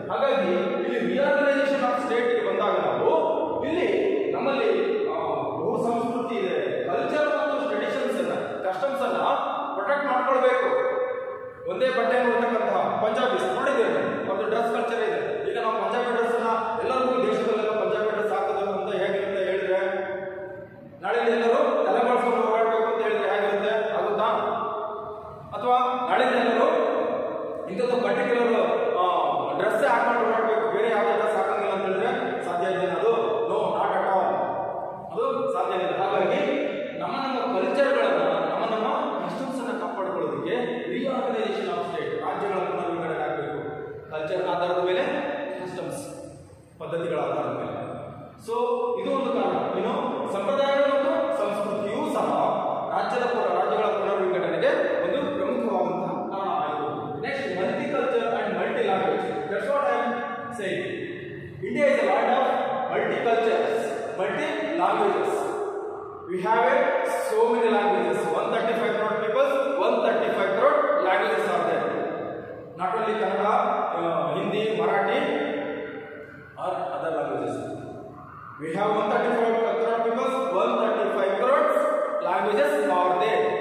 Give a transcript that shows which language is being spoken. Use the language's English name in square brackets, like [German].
[Kannada] Hagagi illi realization of state ge bandaga navu illi nammalli bahu samskruti ide, culture mattu traditions anna, customs anna protect maadkolbeku. Onde batte nodtakkanta punjabi nodidire ಒಂದು dress culture ಇದೆ. ಈಗ ನಾವು Punjabi dress ಅನ್ನ ಎಲ್ಲರಿಗೂ ದೇಶದಲ್ಲೆಲ್ಲ Punjabi dress ಹಾಕೋದು ಅಂತ ಹೇಗಿರುತ್ತೆ ಹೇಳಿದ್ರೆ, ನಾಳೆ ಎಲ್ಲರೂ ತಲೆ ಮಾಡಿಸ್ಕೊಂಡು ಹೋಗ್ಬೇಕು ಅಂತ ಹೇಳಿದ್ರೆ ಹೇಗಿರುತ್ತೆ? ಆಗುತ್ತಾ? ಅಥವಾ ನಾಳೆ ಎಲ್ಲರೂ ಇಂಥದ್ದು ಪರ್ಟಿಕ್ಯುಲರ್ ಡ್ರೆಸ್ ಹಾಕೊಂಡು ಹೋಗ್ಬೇಕು, ಬೇರೆ ಯಾವುದೇ ಡ್ರೆಸ್ ಹಾಕೋಂಗಿಲ್ಲ ಅಂತ ಹೇಳಿದ್ರೆ ಸಾಧ್ಯ ಇದೆ? ಅದು [English] no, not at all, [Kannada] ಅದು ಸಾಧ್ಯ ಇದೆ. ಹಾಗಾಗಿ ನಮ್ಮ ನಮ್ಮ ಕಲ್ಚರ್ಗಳನ್ನು, ನಮ್ಮ ನಮ್ಮ ಕಸ್ಟಮ್ಸ್ ಅನ್ನು ಕಾಪಾಡಿಕೊಳ್ಳೋದಕ್ಕೆ ರಿಆರ್ಗನೈಸೇಷನ್ ಆಫ್ ಸ್ಟೇಟ್, ರಾಜ್ಯಗಳನ್ನು ಕಲ್ಚರ್ ಆಧಾರದ ಮೇಲೆ, ಕಸ್ಟಮ್ಸ್ ಪದ್ಧತಿಗಳ ಆಧಾರದ ಮೇಲೆ. ಸೊ ಇದು ಒಂದು ಕಾರಣ. ಇನ್ನು ಸಂಪ್ರದಾಯಗಳು ಮತ್ತು ಸಂಸ್ಕೃತಿಯೂ ಸಹ ರಾಜ್ಯದ ರಾಜ್ಯಗಳ ಪುನರ್ವಿಂಗಡನೆಗೆ ಒಂದು ಪ್ರಮುಖವಾದಂತಹ ಕಾರಣ ಆಗಿರುತ್ತದೆ. [English] Next, multi culture and multi language. That's what I am saying. India is a land of multicultures, multi languages. We have so many languages. 135 crore peoples, 135 crore languages are there. Not only Kannada, Hindi, Marathi, or other languages. We have 135 crore peoples, 135 crore languages are there.